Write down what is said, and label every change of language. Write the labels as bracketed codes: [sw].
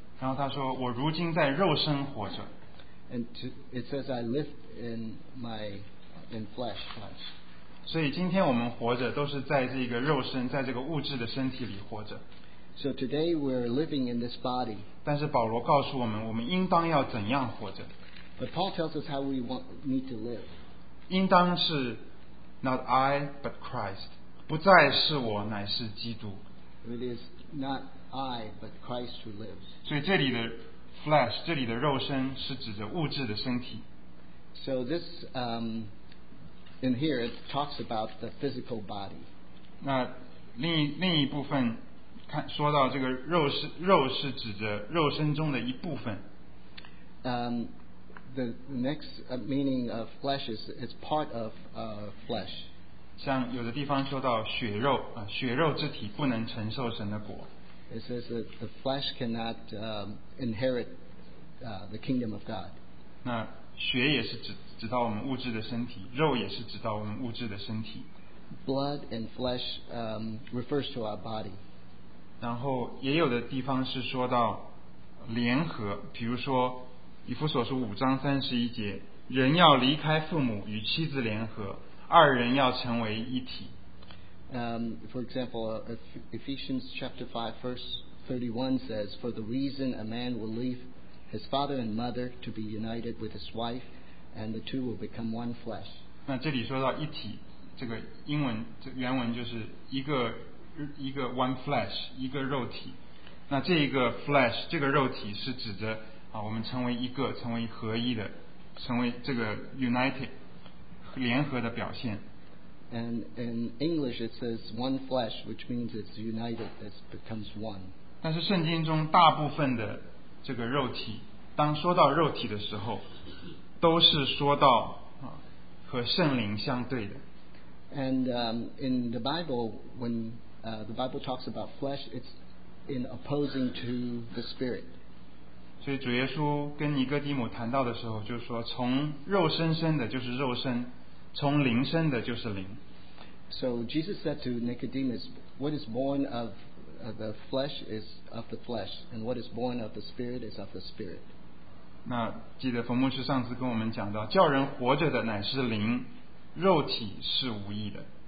[zh] 然后他说，我如今在肉身活着。 [en] It says I live in flesh. [zh] 所以今天我们活着都是在这个肉身，在这个物质的身体里活着。 [en] So today we're living in this body. [zh] 但是保罗告诉我们，我们应当要怎样活着。 [en] But Paul tells us how we need to live. [zh] 应当是 [en] not I, but Christ. [zh] 不再是我，乃是基督。 [en] It is not I, but Christ who lives. [zh] 所以这里的 flesh, 这里的肉身是指着物质的身体。 [en] So this, in here it talks about the physical body. [zh] 那另一部分看说到这个肉是指着肉身中的一部分。 [en] The next meaning of flesh is it's part of flesh. [zh] 像有的地方说到血肉啊，血肉之体不能承受神的果。 [en] It says that the flesh cannot inherit the kingdom of God. [zh] 那血也是指到我们物质的身体，肉也是指到我们物质的身体。 [en] Blood and flesh refers to our body. [zh] 然后也有的地方是说到联合，比如说以弗所书五章三十一节，人要离开父母，与妻子联合。二人要成为一体。 [en] For example, Ephesians chapter 5 verse 31 says, "For the reason a man will leave his father and mother to be united with his wife, and the two will become one flesh." [zh] 那这里说到一体，这个英文这原文就是一个 [en] one flesh， [zh] 一个肉体。那这一个 flesh， 这个肉体是指着啊，我们成为一个，成为合一的，成为这个 united。联合的表现。 [en] And in English it says one flesh, which means it's united, it becomes one. [zh] 但是圣经中大部分的这个肉体，当说到肉体的时候，都是说到和圣灵相对的。 [en] And in the Bible, when the Bible talks about flesh, it's in opposing to the spirit. [zh] 所以主耶稣跟尼哥底母谈到的时候，就说从肉身生的就是肉身。从灵生的就是灵。 [en] So Jesus said to Nicodemus, "What is born of the flesh is of the flesh, and what is born of the spirit is of the spirit." [zh] 那记得冯牧师上次跟我们讲到，叫人活着的乃是灵，肉体是无益的。